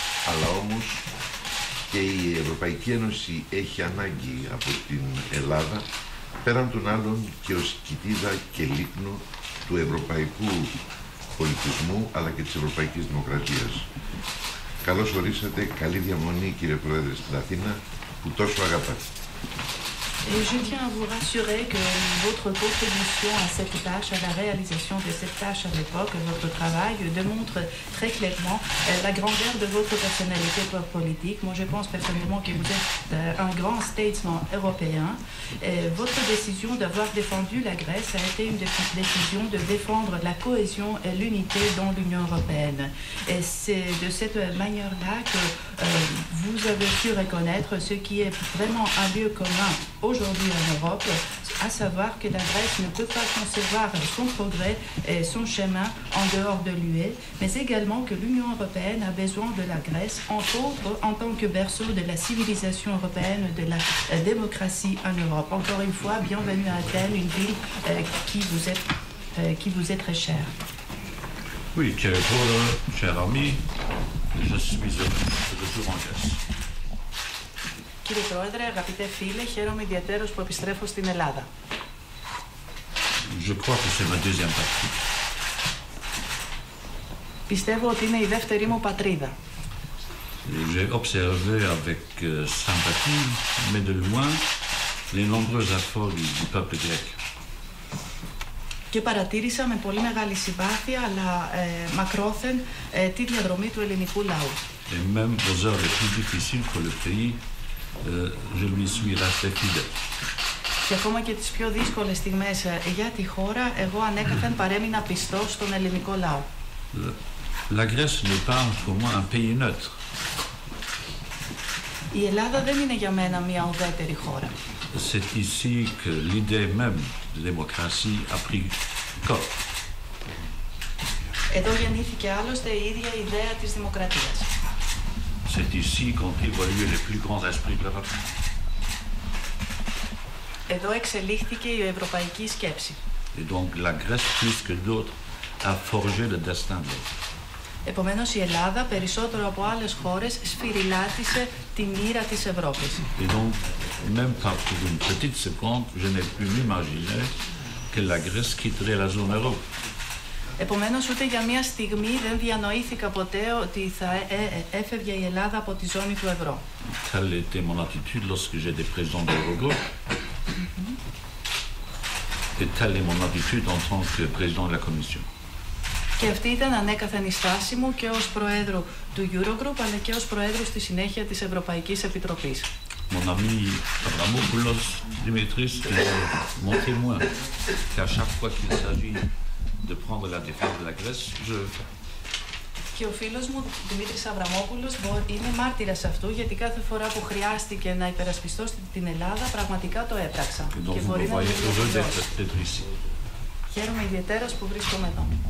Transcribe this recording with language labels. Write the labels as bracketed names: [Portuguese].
[Greek] Αλλά όμως και η Ευρωπαϊκή Ένωση έχει ανάγκη από την Ελλάδα, πέραν των άλλων και ως κοιτίδα και λίπνο του ευρωπαϊκού πολιτισμού, αλλά και της ευρωπαϊκής δημοκρατίας. Καλώς ορίσατε, καλή διαμονή κύριε Πρόεδρε στην Αθήνα, που τόσο αγαπάτε. [French] Et je tiens à vous rassurer que votre contribution à cette tâche, à la réalisation de cette tâche à l'époque, votre travail, démontre très clairement la grandeur de votre personnalité politique. Moi, je pense personnellement que vous êtes un grand statesman européen. Et votre décision d'avoir défendu la Grèce a été une décision de défendre la cohésion et l'unité dans l'Union européenne. Et c'est de cette manière-là que vous avez su reconnaître ce qui est vraiment un lieu commun aujourd'hui en Europe, à savoir que la Grèce ne peut pas concevoir son progrès et son chemin en dehors de l'UE, mais également que l'Union européenne a besoin de la Grèce, entre autres en tant que berceau de la civilisation européenne, de la démocratie en Europe. Encore une fois, bienvenue à Athènes, une ville qui vous est très chère. Oui, cher Paul, cher ami, je suis de retour en Grèce. [Greek] Κύριε Πρόεδρε, αγαπητέ φίλε, χαίρομαι ιδιαίτερως που επιστρέφω στην Ελλάδα. [French] Je crois que c'est ma deuxième patrie. [Greek] Πιστεύω ότι είναι η δεύτερη μου πατρίδα. [French] J'ai observé avec sympathie, mais de loin, les nombreux efforts du peuple grec. [Greek] Και παρατήρησα με πολύ μεγάλη συμπάθεια, αλλά μακρόθεν, τη διαδρομή του ελληνικού λαού. [French] Et même aux heures les plus difficiles pour le pays, je lui suis resté fidèle. [Greek] Και ακόμα και τις πιο δύσκολες στιγμές για τη χώρα, εγώ ανέκαθεν παρέμεινα πιστός στον ελληνικό λαό. [French] La Grèce n'est pas pour moi un pays neutre. [Greek] Η Ελλάδα δεν είναι για μένα μια ουδέτερη χώρα. [French] C'est ici que l'idée même de démocratie a pris corps. [Greek] Εδώ γεννήθηκε άλλωστε η ίδια ιδέα της δημοκρατίας. [French] C'est ici qu'ont évolué les plus grands esprits de l'Europe. [Greek] Εδώ εξελίχθηκε η ευρωπαϊκή σκέψη. [French] Et donc la Grèce, plus que d'autres, a forgé le destin de l'Europe. [Greek] Επομένως, η Ελλάδα, περισσότερο από άλλες χώρες, σφυριλάτησε τη μοίρα της Ευρώπης. [French] Et donc, même pas pour une petite seconde, je n'ai pu m'imaginer que la Grèce quitterait la zone euro. [Greek] Επομένως, ούτε για μία στιγμή δεν διανοήθηκα ποτέ ότι θα έφευγε η Ελλάδα από τη ζώνη του ευρώ. [French] Quelle était mon attitude lorsque j'étais président de l'Eurogroupe? Et telle est mon attitude en tant que président de la Commission. [Greek] Και αυτή ήταν ανέκαθεν η στάση μου και ως Προέδρου του Eurogroup, αλλά και ως Προέδρου στη συνέχεια της Ευρωπαϊκής Επιτροπής. [French] Mon ami Abramopoulos, Dimitris, mon témoin, qu'à chaque fois qu'il s'agit de prendre la défense de la Grèce, je... [Greek] Και ο φίλος μου, Δημήτρης Αβραμόπουλος, είναι μάρτυρας αυτού, γιατί κάθε φορά που χρειάστηκε να υπερασπιστώ την Ελλάδα, πραγματικά το έπραξα. Και μπορεί να μιλήσω. Χαίρομαι ιδιαίτερα που βρίσκομαι εδώ.